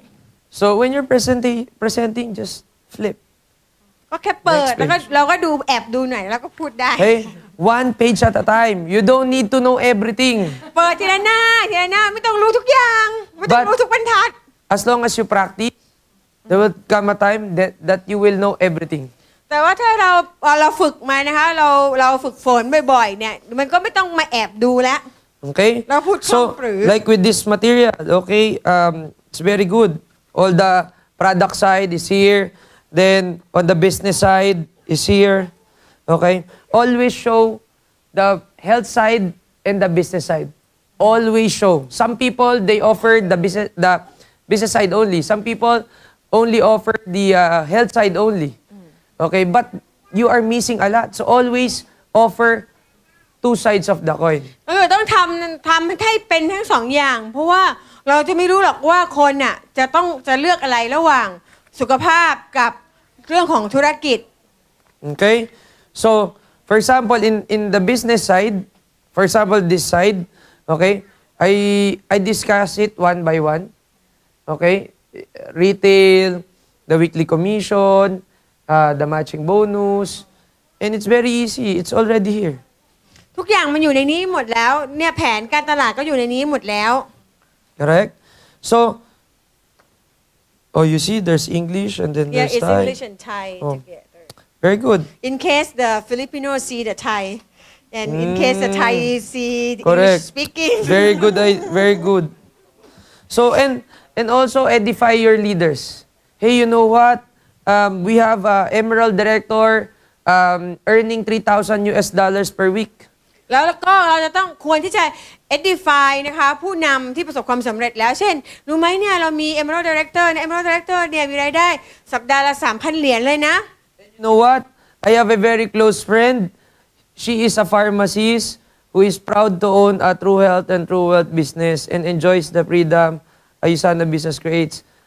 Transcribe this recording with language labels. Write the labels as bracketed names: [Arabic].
[English] so when you're presenting just flip [Thai] ก็แค่เปิดแล้วก็เราก็ดูแอบดูหน่อยแล้วก็พูดได้ [English] hey one page at a time you don't need to know everything [Thai] เปิดทีละหน้าไม่ต้องรู้ทุกอย่างไม่ต้องรู้ทุกบรรทัด [English] As long as you practice, there will come a time that you will know everything. [Thai] แต่ว่าถ้าเราฝึกมานะคะเราฝึกฝนบ่อยๆเนี่ยมันก็ไม่ต้องมาแอบดูแล้ว [English] Okay. [Thai] เราพูด คล่อง ปรือ [English] Like with this material, okay, it's very good. All the product side is here. Then on the business side is here. Okay. Always show the health side and the business side. always show. Some people, they offer the business side only. Some people only offer the health side only. Okay, but you are missing a lot. So always offer two sides of the coin. [Thai] ต้องทำให้เป็นทั้งสองอย่างเพราะว่าเราจะไม่รู้หรอกว่าคนน่ะจะเลือกอะไรระหว่างสุขภาพกับเรื่องของธุรกิจ [English] Okay, so for example in the business side, for example this side, okay, I discuss it one by one, okay, retail, the weekly commission, the matching bonus, and it's very easy. It's already here. [Thai] ทุกอย่างมันอยู่ในนี้หมดแล้วเนี่ยแผนการตลาดก็อยู่ในนี้หมดแล้ว [English] Correct. So, oh, you see, there's English and then there's Thai. Yeah, it's English and Thai together. Very good. In case the Filipino see the Thai, and in case the Thai see the English speaking. Very good. Very good. So and also edify your leaders. Hey, you know what? We have a Emerald Director earning $3,000 per week. [Thai] แล้วก็เราจะต้องควรที่จะ edify นะคะผู้นำที่ประสบความสำเร็จแล้วเช่นรู้ไหมเนี่ยเรามี Emerald Director เนี่ย Emerald Director เนี่ยมีรายได้สัปดาห์ละ $3,000 เลยนะ [English] You know what? I have a very close friend. She is a pharmacist who is proud to own a true health and true wealth business and enjoys the freedom a USANA business creates.